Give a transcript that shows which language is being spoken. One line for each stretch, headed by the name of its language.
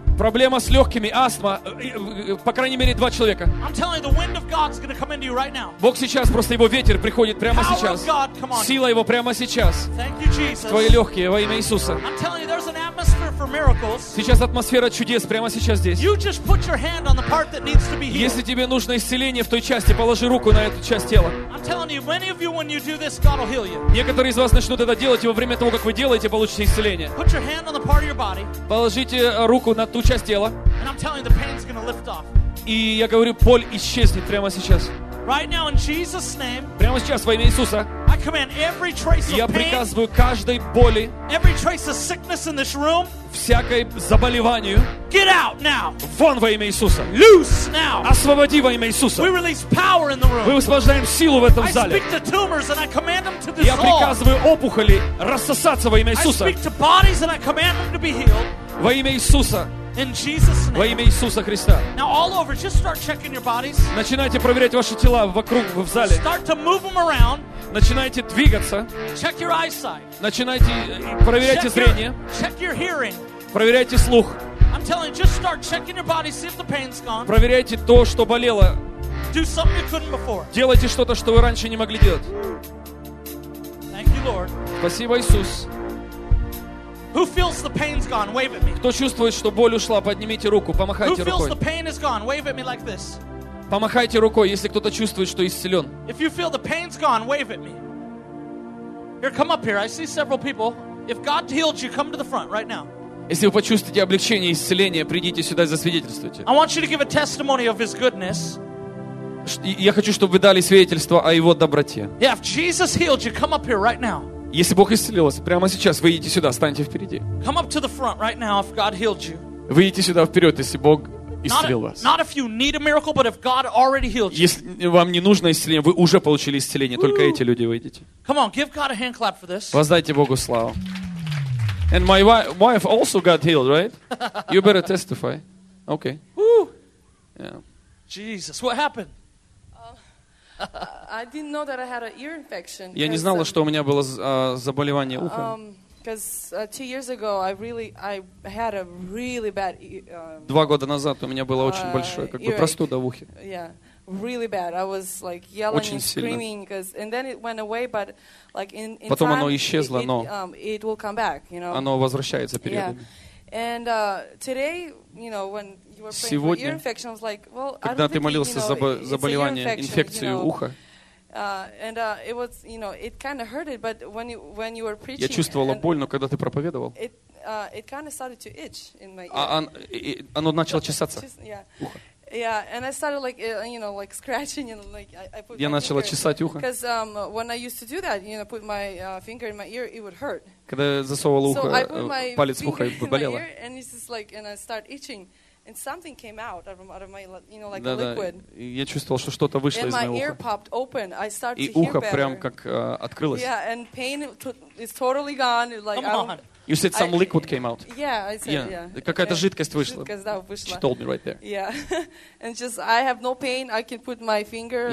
Russian: Проблема с легкими, астма, по крайней мере, два человека.
English: You, right
Russian: Бог сейчас, просто его ветер приходит прямо сейчас.
English: God,
Russian: сила его прямо сейчас.
English: You,
Russian: твои легкие во имя Иисуса.
English: You, miracles.
Russian: Сейчас атмосфера чудес прямо сейчас здесь.
English: You just put your hand on the part that needs to be healed.
Russian: Если тебе нужно исцеление в той части, положи руку на эту часть тела.
English: I'm telling you, many of you, when you do this, God will heal you.
Russian: Некоторые из вас начнут это делать, и во время того, как вы делаете, получите исцеление.
English: Put your hand on the part of your body.
Russian: Положите руку на ту часть тела.
English: And I'm telling you, the pain's going to lift off.
Russian: И я говорю, боль исчезнет прямо сейчас.
English: Right now, in Jesus' name.
Russian: Прямо сейчас во имя Иисуса.
English: I command every trace of pain.
Russian: Я приказываю каждой боли.
English: Every trace of sickness in this room.
Russian: Всякое заболевание.
English: Get out now.
Russian: Вон во имя Иисуса.
English: Loose now.
Russian: Освободи во имя Иисуса.
English: We release power in the room.
Russian: Мы высвобождаем силу в этом зале.
English: I speak to tumors and I command them to dissolve.
Russian: Я приказываю опухоли рассосаться во имя Иисуса.
English: I speak to bodies and I command them to be healed.
Russian: Во имя Иисуса.
English: In Jesus' name.
Russian: Во имя Иисуса Христа.
English: Now all over, just start checking your bodies.
Russian: Начинайте проверять ваши тела вокруг в зале.
English: Start to move them around.
Russian: Начинайте двигаться.
English: Check your eyesight.
Russian: Начинайте проверяйте
English: check
Russian: зрение.
English: Check your hearing.
Russian: Проверяйте слух.
English: I'm telling you, just start checking your body, see if the pain's gone.
Russian: Проверяйте то, что болело.
English: Do something you couldn't before.
Russian: Делайте что-то, что вы раньше не могли делать.
English: Thank you, Lord.
Russian: Спасибо, Иисус.
English: Who feels the pain's gone? Wave at me.
Russian: Кто чувствует, что боль ушла, поднимите руку, помахайте рукой.
English: Who feels the pain is gone? Wave at me like this.
Russian: Помахайте рукой, если кто-то чувствует, что исцелен.
English: If you feel the pain's gone, wave at me. Here, come up here. I see several people. If God healed you, come to the front right now.
Russian: Если вы почувствуете облегчение и исцеление, придите сюда и засвидетельствуйте.
English: I want you to give a testimony of His goodness.
Russian: Я хочу, чтобы вы дали свидетельство о Его доброте.
English: Yeah, if Jesus healed you, come up here right now.
Russian: Если Бог исцелил вас, прямо сейчас выйдите сюда, станьте впереди.
English: Come up to the front right now if God healed you.
Russian: Выйдите сюда вперед, если Бог исцелил вас.
English: Not if you need a miracle, but if God already healed you.
Russian: Если вам не нужно исцеление, вы уже получили исцеление, Woo! Только эти люди выйдите.
English: Come on, give God a hand clap for this.
Russian: Воздайте Богу славу.
English: And my wife also got healed, right? You better testify. Okay. Woo! Yeah. Jesus, what happened? I didn't know that I had an ear infection.
Russian: Я не знала, что у меня было заболевание уха.
English: Because two years ago I had a really bad.
Russian: Два года назад у меня было очень большое, как бы простуда в ухе.
English: Yeah, really bad. I was like yelling and screaming, because and then it went away, but like in time.
Russian: Потом оно исчезло, но.
English: It will come back, you know.
Russian: Оно возвращается периодами.
English: Yeah. And today, you know, when you were praying
Russian: сегодня,
English: for ear infection, I was like, well, I don't think, you know,
Russian: заболевание,
English: it's an ear infection, you know. And it was, you know, it kind of hurt it, but when you were preaching,
Russian: я чувствовала боль, но когда ты проповедовал,
English: it kind of started to itch in my ear.
Russian: Оно начало чесаться.
English: Yeah, and I started like, you know, like scratching and like I put.
Russian: Я начала чесать ухо.
English: Because when I used to do that, you know, put my finger in my ear, it would hurt.
Russian: Когда засовывала ухо, палец в ухо, болело.
English: And it's just like, and I start itching, and something came out of my, you know, like liquid.
Russian: Я чувствовал, что что-то вышло из моего уха.
English: And my ear popped open. I start to hear better.
Russian: И ухо прям как открылось.
English: Yeah, and pain is totally gone. Like, come on. You said some liquid came out. Yeah, I said, yeah.
Russian: Какая-то жидкость вышла. Жидкость,
English: she told me right there. Yeah. And just, I have no pain. I can put my finger,